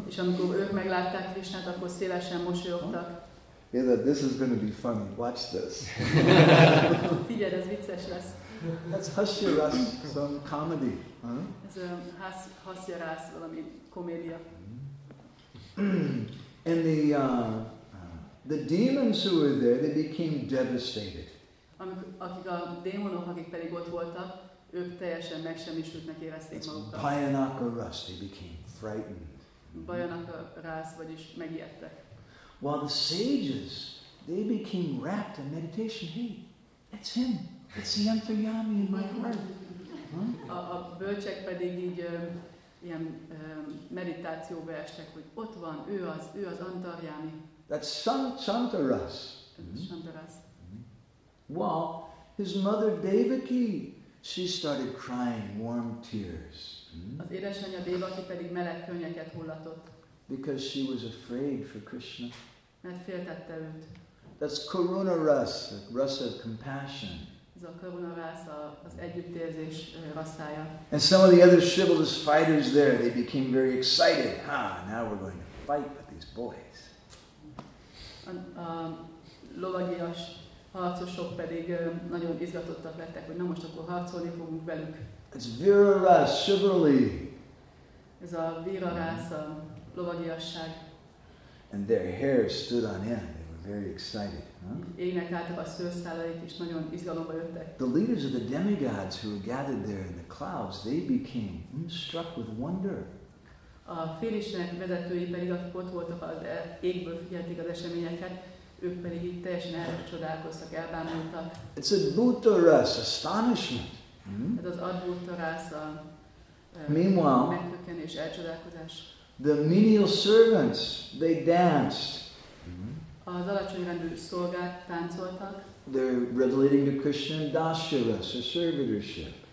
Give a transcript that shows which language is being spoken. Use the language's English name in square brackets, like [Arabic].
[Hungarian] És amikor ők meglátták Krishnát, akkor szélesen mosolyogtak. [English] Yeah, that this is going to be funny. Watch this. [Hungarian] Figyeld, ez vicces lesz. [English] That's Hasyaras, some comedy, huh? [Hungarian] Ez Hasyaras, valami komédia. [English] And the demons who were there, they became devastated. [Hungarian] Akik a démonok, akik pedig ott voltak, ők teljesen megsemmisültnek érezték magukat. [English] It's Bhayanaka Ras, they became frightened. [Hungarian] Bhayanaka Ras, vagyis megijedtek. [English] While the sages, they became wrapped in meditation. Hey, it's him. It's the Antaryami in my heart. [Hungarian] A bölcsek pedig így ilyen meditációba estek, hogy ott van, ő az Antaryami. [English] That's Shantaras. [Hungarian] Shantaras. [English] Well, his mother Devaki, she started crying warm tears. [Hungarian] Az édesanyja Devaki pedig meleg könnyeket hullatott. [English] Because she was afraid for Krishna. [Hungarian] Mert féltette őt. [English] That's Karuna Ras, a Ras of compassion. [Hungarian] Ez a Karuna Ras, az együttérzés rasszája. [English] And some of the other chivalrous fighters there, they became very excited. Ah, now we're going to fight with these boys. [Hungarian] A lovagias harcosok pedig nagyon izgatottak lettek, hogy na most akkor harcolni fogunk velük. [English] It's Vira Ras, chivalry. [Hungarian] Ez a Vira Ras, a lovagiasság. [English] And their hair stood on end. They were very excited. Huh? The leaders of the demigods who were gathered there in the clouds, they became struck with wonder. [Hungarian] A félistenek vezetői pedig ott voltak az égből figyelték az eseményeket, ők pedig itt teljesen elcsodálkoztak, elbámultak. [English] It's a butaras, astonishment. [Hungarian] Ez az adbutaras, a megtökenés, elcsodálkozás. [English] The menial servants, they danced. [Hungarian] Az alacsony rendű szolgák táncoltak. [English] They're relating to Krishna and Dasyaras, a servitorship.